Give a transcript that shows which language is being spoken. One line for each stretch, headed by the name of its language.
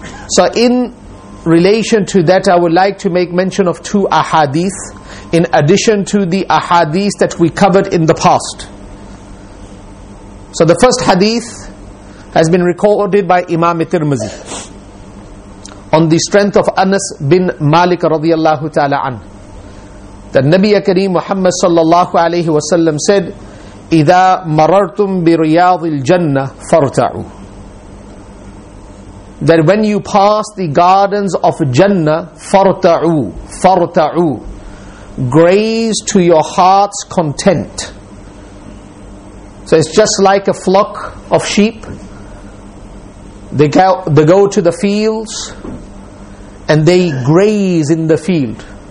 English: So in relation to that, I would like to make mention of two ahadith in addition to the ahadith that we covered in the past. So the first hadith has been recorded by Imam Tirmizi on the strength of Anas bin Malik radiallahu ta'ala anhu. The Nabi Akram Muhammad sallallahu alayhi wa sallam said,
Arabic: إذا مررتم برياض الجنة فارتعوا.
English: That when you pass the gardens of Jannah,
Arabic: فارتعوا, فارتعوا,
English: graze to your heart's content. So it's just like a flock of sheep. They go to the fields and they graze in the field.